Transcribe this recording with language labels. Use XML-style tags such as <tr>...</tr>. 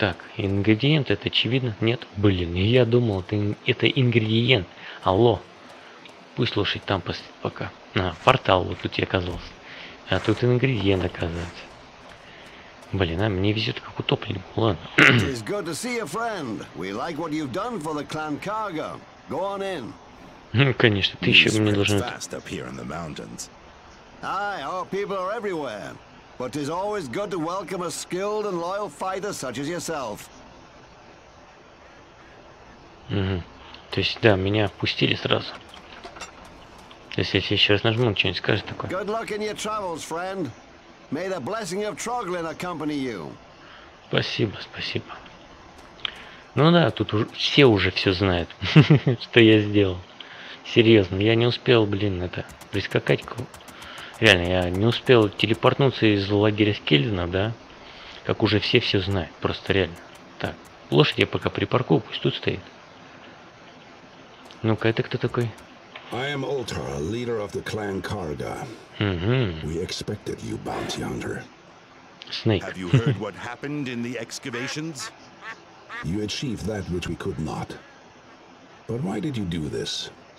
<ru>Так, ингредиент, это очевидно? Нет? Блин, я думал, это ингредиент. Алло? Пусть лошадь там постоит пока. А, портал вот тут я оказался. А тут ингредиент оказывается. Блин, а мне везет как утопленнику, ладно.</ru> <en>It is good to see you, friend. We like what you've done for the clan Cargo. Go on in.</en> <ru>Ну, конечно, ты еще мне должен...</ru> <en>Aye, our people are everywhere. but 'tis always good to welcome a skilled and loyal fighter such as yourself.</en> <ru>То есть, да, меня впустили сразу. Если я еще раз нажму, что-нибудь скажет такое.</ru> <en>Good luck in your travels, friend. May the blessing of Troglin accompany you.</en> <ru>Спасибо, спасибо. Ну да, тут уже, все уже все знают, что я сделал. Серьезно, я не успел, блин, это, прискакать. Реально, я не успел телепортнуться из лагеря Скеллина, да? Как уже все знают, просто реально. Так, лошадь я пока припаркую, пусть тут стоит. Ну-ка, это кто такой?</ru> <en>I am Ultra, leader of the clan Karga. We expected you, bounty hunter. Snake. Have you heard what happened in the excavations? You achieved that which we could not. But why did you do this?</en>